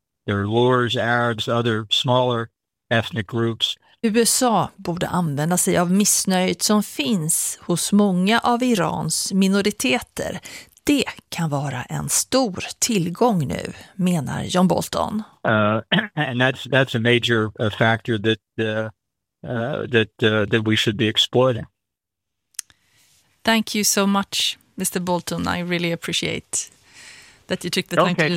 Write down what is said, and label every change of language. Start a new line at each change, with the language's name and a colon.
English: There are Lurs, Arabs, other smaller ethnic groups.
Swedish: USA borde använda sig av missnöjet som finns hos många av Irans minoriteter. Det kan vara en stor tillgång nu, menar John Bolton.
English: And that's a major factor that we should be exploiting. Thank you so much, Mr. Bolton. I really appreciate that you took the time to do